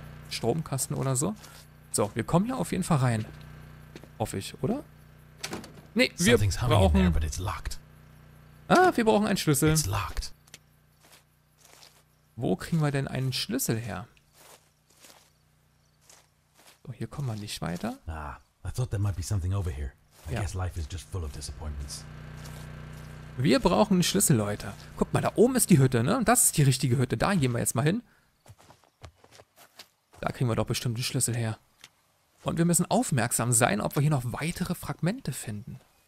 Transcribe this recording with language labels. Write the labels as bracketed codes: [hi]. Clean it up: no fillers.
[de] Stromkasten oder so? So, wir kommen hier auf jeden Fall rein. Hoffe ich, oder? Nee, wir brauchen... [en] There, but it's locked. [de] Ah, wir brauchen einen Schlüssel. [en] It's locked. [de] Wo kriegen wir denn einen Schlüssel her? So, hier kommen wir nicht weiter. [en] Ah, I thought there might be something over here. I guess life is just full of disappointments. [de] Wir brauchen einen Schlüssel, Leute. Guck mal, da oben ist die Hütte, ne? Und das ist die richtige Hütte. Da gehen wir jetzt mal hin. Da kriegen wir doch bestimmt einen Schlüssel her. Und wir müssen aufmerksam sein, ob wir hier noch weitere Fragmente finden.